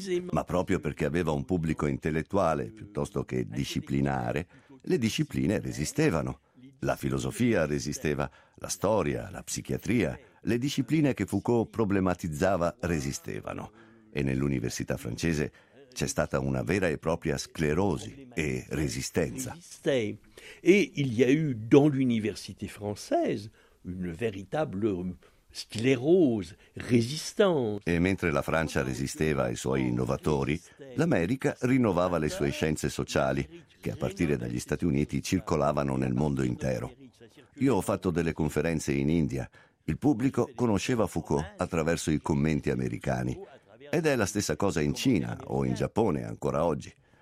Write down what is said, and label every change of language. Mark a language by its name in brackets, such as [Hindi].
[Italian] Ma proprio perché aveva un pubblico intellettuale piuttosto che disciplinare, le discipline resistevano. La filosofia resisteva, la storia, la psichiatria, le discipline che Foucault problematizzava resistevano. E nell'università francese c'è stata una vera e propria sclerosi e resistenza. [French] E il y a eu dans l'université française une véritable sclerose, résistance. [Italian] E mentre la Francia resisteva ai suoi innovatori, l'America rinnovava le sue scienze sociali, che a partire dagli Stati Uniti circolavano nel mondo intero. Io ho fatto delle conferenze in India. Il pubblico conosceva Foucault attraverso i commenti americani. Ed è la stessa cosa in Cina o in Giappone ancora oggi.